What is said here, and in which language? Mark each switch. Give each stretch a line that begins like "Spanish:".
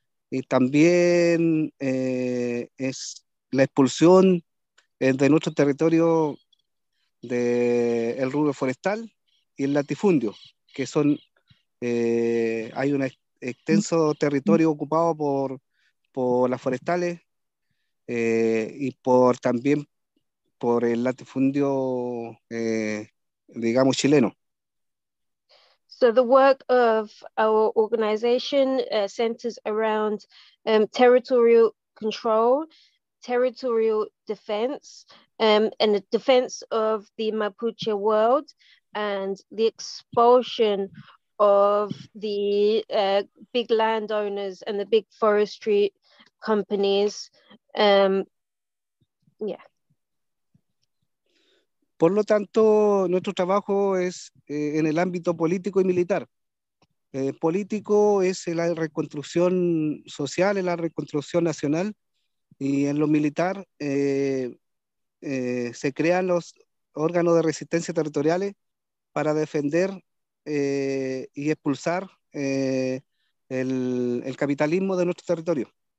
Spanish: Y también es la expulsión de nuestro territorio del rubro forestal y el latifundio, que son, hay un extenso territorio ocupado por las forestales y por también por el latifundio, digamos, chileno.
English: So the work of our organization centers around territorial control, territorial defense, and the defense of the Mapuche world and the expulsion of the big landowners and the big forestry companies.
Spanish: Por lo tanto, nuestro trabajo es en el ámbito político y militar. Político es la reconstrucción social, es la reconstrucción nacional, y en lo militar se crean los órganos de resistencia territoriales para defender y expulsar el capitalismo de nuestro territorio.